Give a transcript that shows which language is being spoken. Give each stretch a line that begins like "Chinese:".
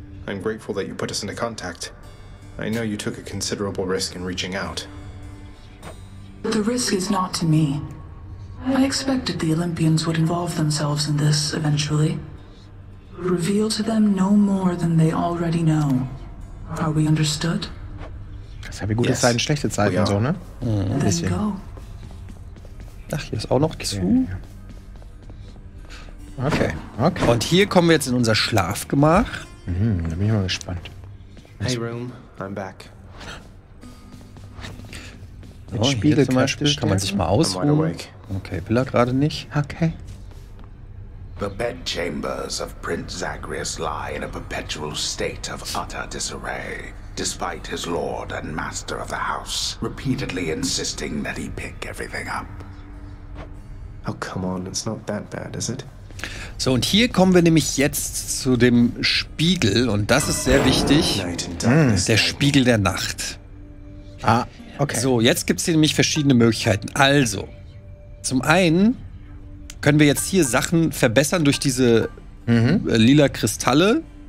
English: I'm grateful that you put us into contact. I know you took a considerable risk in reaching out. The risk is not to me. I expected the Olympians would involve themselves in this eventually. Reveal to them no more than they already know. Are we understood?
German: Das haben wir gute Zeiten, schlechte Zeiten, so, ne?
English: Then go.
German: Ach, hier ist auch noch Kisu. Okay. Und hier kommen wir jetzt in unser Schlafgemach. Da bin ich mal gespannt.
English: Hey, Room, I'm back.
German: Oh, Spiegel zum Beispiel. Kann man sich mal ausruhen. Okay, will er gerade nicht. Okay.
English: The bedchambers of Prince Zagreus lie in a perpetual state of utter disarray. Despite his lord and master of the house repeatedly insisting that he pick everything up. Oh, come on, it's not that bad, is it?
German: So, und hier kommen wir nämlich jetzt zu dem Spiegel, und das ist sehr wichtig. Der Spiegel der Nacht. Ah, okay. So, jetzt gibt es hier nämlich verschiedene Möglichkeiten. Also, zum einen können wir jetzt hier Sachen verbessern durch diese lila Kristalle.